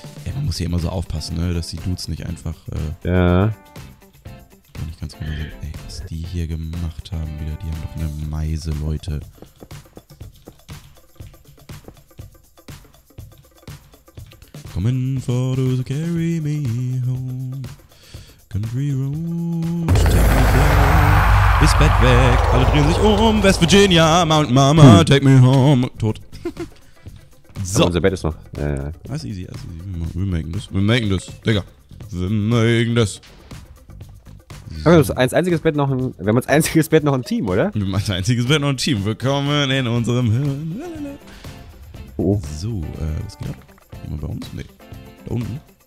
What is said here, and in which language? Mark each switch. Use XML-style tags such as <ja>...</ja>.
<de>Ey, man muss hier immer so aufpassen, ne? Dass die Dudes nicht einfach. Ja. Kann ich ganz genau sehen. Ey, was die hier gemacht haben wieder. Die haben doch eine Meise, Leute.</de> <en>Come in for to carry me home. Country Road, take me home.</en> <de>Ist Bett weg. Alle drehen sich um.</de> <en>West Virginia, Mount Mama, take me home.</en> <de>Tot. So. Aber unser Bett ist noch. Ja, ja. Das ist easy. Wir machen das. Digga. Wir machen das. Aber wir haben als einziges Bett noch ein Team, oder? Wir haben als einziges Bett noch ein Team. Willkommen in unserem Hirn. Oh. So, was geht ab? Jemand bei uns? Nee. Da unten?</de>